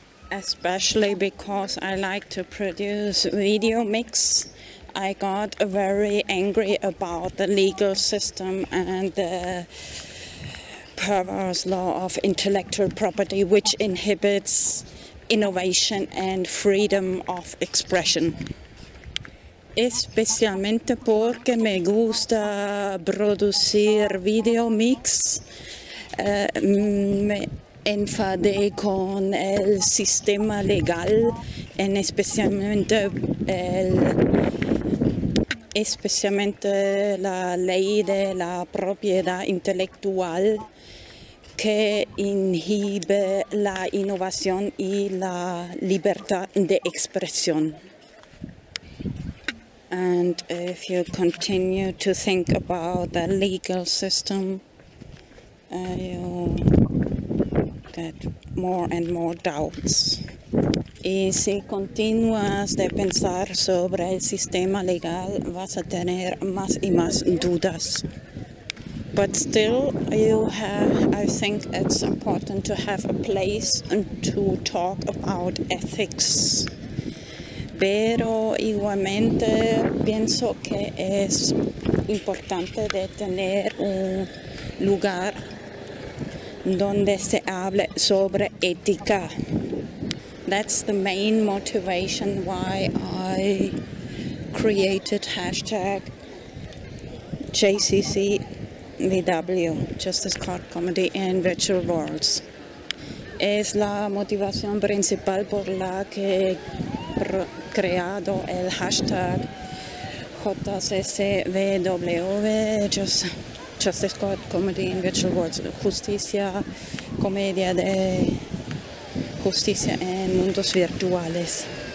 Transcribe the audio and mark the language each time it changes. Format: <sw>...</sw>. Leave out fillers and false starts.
<en>Especially because I like to produce video mix, I got very angry about the legal system and the perverse law of intellectual property, which inhibits innovation and freedom of expression.</en> <es>Especialmente porque me gusta producir video mix, me enfadé con el sistema legal, en especialmente la ley de la propiedad intelectual que inhibe la innovación y la libertad de expresión.</es> <en>And if you continue to think about the legal system, you get more and more doubts.</en> <es>Y si continúas de pensar sobre el sistema legal, vas a tener más y más dudas.</es> <en>But still, I think it's important to have a place to talk about ethics.</en> <es>Pero igualmente pienso que es importante de tener un lugar donde se hable sobre ética.</es> <en>That's the main motivation why I created hashtag JCCVW, Justice Court Comedy in Virtual Worlds.</en> <es>Es la motivación principal por la que creado el hashtag JCCVW, Justice Court Comedy in Virtual Worlds, Justicia, Comedia de Justicia en Mundos Virtuales.</es>